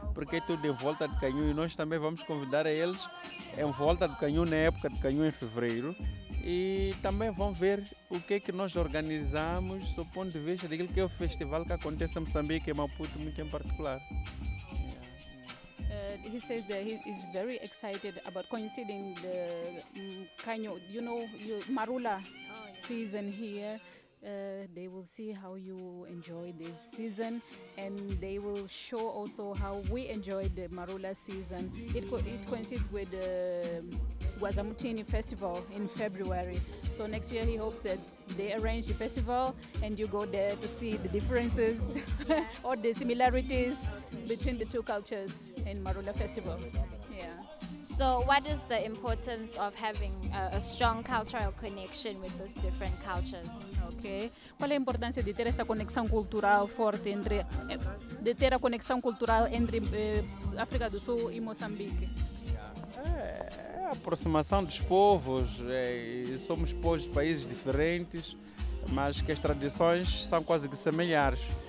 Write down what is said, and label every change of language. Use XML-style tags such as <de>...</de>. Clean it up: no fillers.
<pt>Porque é tudo em volta de canhão e nós também vamos convidar a eles em volta do canhão, na época de canhão, em fevereiro. E também vão ver o que é que nós organizamos do ponto de vista daquilo que é o festival que acontece em Moçambique, em Maputo, muito em particular.</pt> <en>He says that he is very excited about coinciding the canyon, you know, Marula season here. They will see how you enjoy this season, and they will show also how we enjoy the Marula season. It coincides with the Eswatini festival in February. So next year he hopes that they arrange the festival and you go there to see the differences or the similarities between the two cultures in Marula festival. So what is the importance of having a strong cultural connection with those different cultures? Okay.</en> <pt>Qual é a importância de ter essa conexão cultural forte entre de ter a conexão cultural entre África do Sul e Moçambique? É a aproximação dos povos, somos povos de países diferentes, mas que as tradições são quase que semelhantes.</pt>